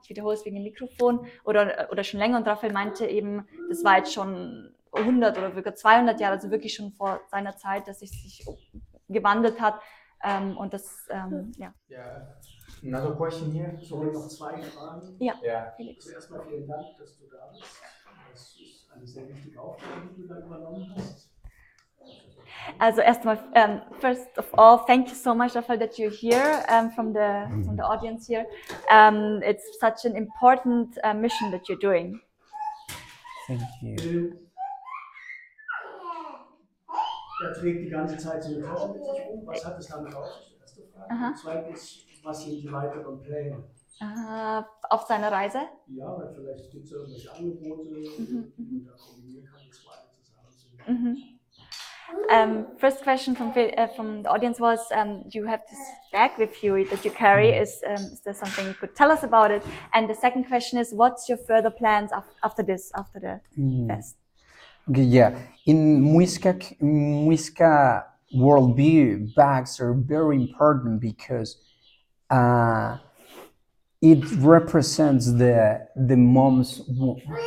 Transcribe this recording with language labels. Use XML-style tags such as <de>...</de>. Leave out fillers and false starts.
<de>Ich wiederhole es wegen dem Mikrofon oder schon länger. Und Raphael meinte eben, das war jetzt schon 100 oder sogar 200 Jahre, also wirklich schon vor seiner Zeit, dass es sich gewandelt hat. Und das, ja.</de> <en>Yeah. Another question here.</en> <de>So, noch zwei Fragen. Ja. Felix. Also erstmal vielen Dank, dass du da bist. Das ist eine sehr wichtige Aufgabe, die du da übernommen hast. Also erstmal,</de> <en>first of all, thank you so much, Raphael, that you're here from the audience here. It's such an important mission that you're doing. Thank you.</en> <de>Er trägt die ganze Zeit so eine Tasche mit sich um. Was hat es damit auf sich? Erste Frage. Zweitens, was sind die weiteren Pläne? Auf seiner Reise? Ja, weil vielleicht gibt es irgendwelche Angebote, die man da kombinieren kann, das beide zusammen zu nehmen.</de> <en>First question from the audience was, you have this bag with you that you carry. Is there something you could tell us about it? And the second question is, what's your further plans after the fest? Okay, yeah. In Muisca worldview, bags are very important because it represents the mom's womb.</en>